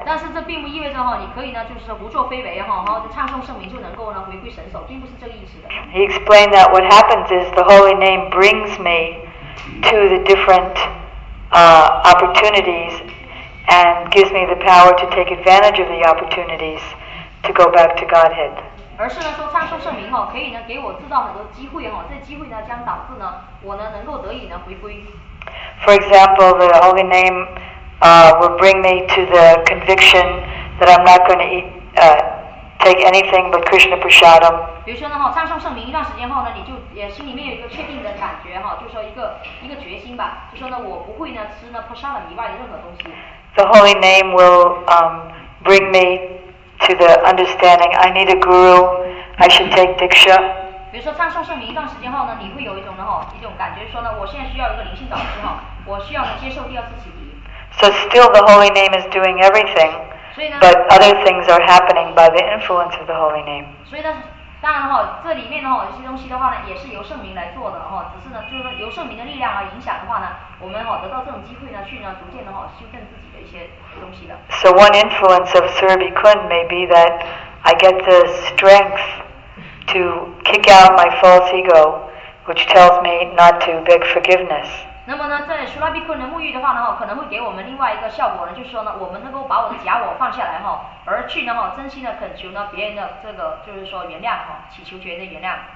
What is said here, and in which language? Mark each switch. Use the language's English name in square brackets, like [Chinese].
[Chinese] 但是这并不意味着哈，你可以呢就是胡作非为哈，然后唱诵圣名就能够呢回归神手，并不是这个意思的。 [English] He explained that what happens is the holy name brings me to the different opportunities and gives me the power to take advantage of the opportunities to go back to Godhead. [Chinese] 而是呢说唱诵圣名哈，可以呢给我制造很多机会哈，这机会呢将导致呢我呢能够得以呢回归。 [English] For example, the holy name will bring me to the conviction that I'm not going to take anything but Krishna Prasadam. [Chinese] 比如说呢，哈，唱诵圣名一段时间后呢，你就也心里面有一个确定的感觉，哈，就说一个决心吧，就说呢，我不会呢吃呢 Prasadam 以外的任何东西。 [English] The holy name will bring me to the understanding I need a guru, I should take diksha. [Chinese] 比如说唱诵圣名一段时间后呢，你会有一种呢哈，一种感觉说呢，我现在需要一个灵性导师哈，我需要接受第二次洗礼。 [English] So still the holy name is doing everything, but other things are happening by the influence of the holy name. [Chinese] 所以呢，当然哈，这里面的哈这些东西的话呢，也是由圣名来做的哈，只是呢，就是由圣名的力量而影响的话呢，我们哈得到这种机会呢，去呢逐渐的哈修正自己的一些东西的。 [English] So one influence of Surabhi Kund may be that I get the strength. To kick out my false ego, which tells me not to beg forgiveness. [Chinese] 那么呢，在苏拉比坤的沐浴的话呢，可能会给我们另外一个效果呢，就是说呢，我们能够把我的假我放下来哈，而去呢哈，真心的恳求呢别人的这个就是说原谅哈，祈求别人的原谅。